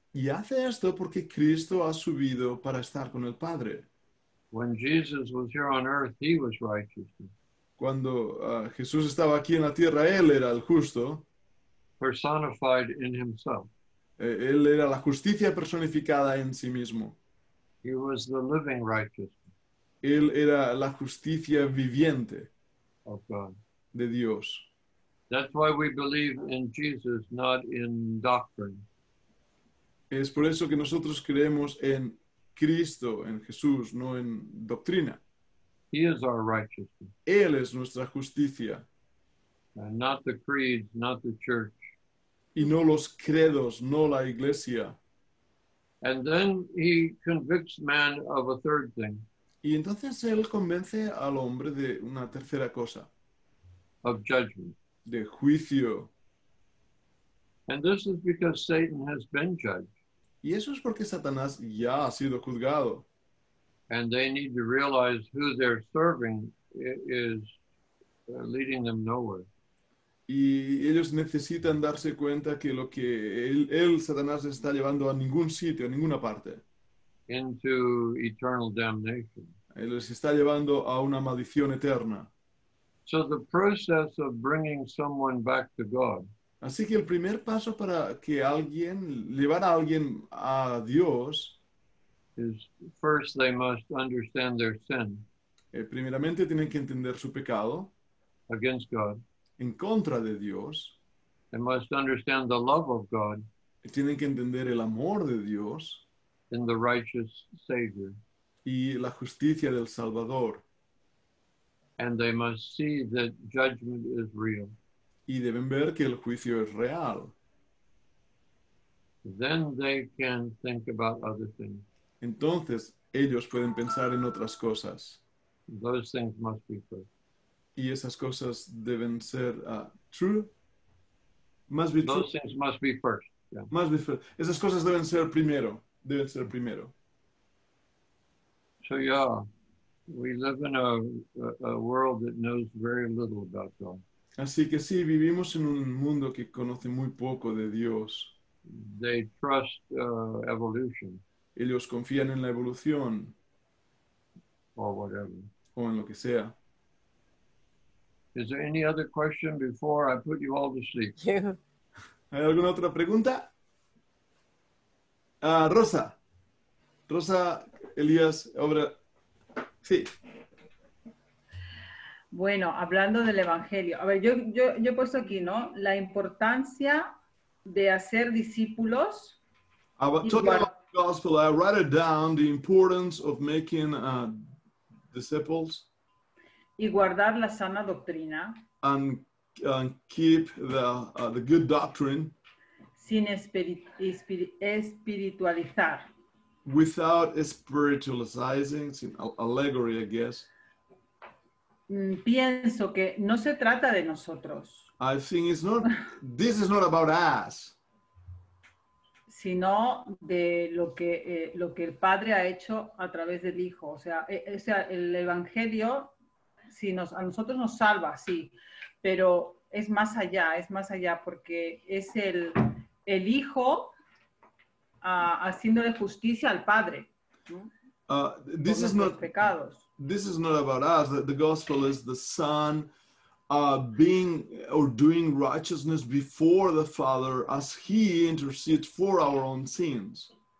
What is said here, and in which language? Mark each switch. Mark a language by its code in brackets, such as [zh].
[es] Y hace esto porque Cristo ha subido para estar con el Padre. [en] When Jesus was here on earth, he was righteous. [es] Cuando Jesús estaba aquí en la tierra, él era el justo. [en] Personified in himself. [es] Él era la justicia personificada en sí mismo. [en] He was the living righteous. [es] Él era la justicia viviente [en] of God. [es] De Dios. [en] That's why we believe in Jesus, not in doctrine. [es] Es por eso que nosotros creemos en Cristo, en Jesús, no en doctrina. [en] He is our righteousness. [es] Él es nuestra justicia. [en] And not the creeds, not the church. [es] y no los credos, no la iglesia. [en] And then he convicts man of a third thing. [es] Y entonces él convence al hombre de una tercera cosa. [en] Of judgment. [es] De juicio. [en] And this is because Satan has been judged. [es] Y eso es porque Satanás ya ha sido juzgado. [en] And they need to realize who they're serving is leading them nowhere. [es] Y ellos necesitan darse cuenta que lo que él Satanás está llevando a ningún sitio, a ninguna parte. [en] Into eternal damnation. [es] Él les está llevando a una maldición eterna. [en] So the process of bringing someone back to God. [es] Así que el primer paso para que alguien llevar a alguien a Dios [en] is first they must understand their sin. [es] Primeramente tienen que entender su pecado [en] against God. [es] En contra de Dios. [en] They must understand the love of God. [es] Tienen que entender el amor de Dios. [en] In the righteous Savior. [es] Y la justicia del Salvador. [en] And they must see that judgment is real. [es] Y deben ver que el juicio es real. [en] Then they can think about other things. [es] Entonces, ellos pueden pensar en otras cosas. [en] Those things must be first. [es] Y esas cosas deben ser true. [en] Must be those true. Things must be first. Yeah. Must be first. [es] Esas cosas deben ser primero. Deben ser primero. [en] So yeah, we live in a world that knows very little about God. [es] Así que sí, vivimos en un mundo que conoce muy poco de Dios. [en] They trust evolution. [es] Ellos confían en la evolución. [en] Or whatever. [es] O en lo que sea. [en] Is there any other question before I put you all to sleep? Yeah. [es] ¿Hay alguna otra pregunta? Rosa. Rosa, Elías, obra. Sí. Bueno, hablando del Evangelio. A ver, yo he puesto aquí, ¿no? La importancia de hacer discípulos. [en] Talking about the gospel, I write it down, the importance of making disciples. [es] Y guardar la sana doctrina. [en] And keep the good doctrine. [es] Sin espiritualizar. [en] Without spiritualizing, sin allegory, I guess. [es] Pienso que no se trata de nosotros. [en] I think it's not, this is not about us. [es] Sino de lo que el Padre ha hecho a través del Hijo. O sea, el Evangelio... Sí, a nosotros nos salva, sí, pero es más allá, porque es el Hijo haciéndole justicia al Padre. [en] This is not [es] pecados. [en] This is not about us. The gospel is the Son being or doing righteousness before the Father as He intercedes for our own sins.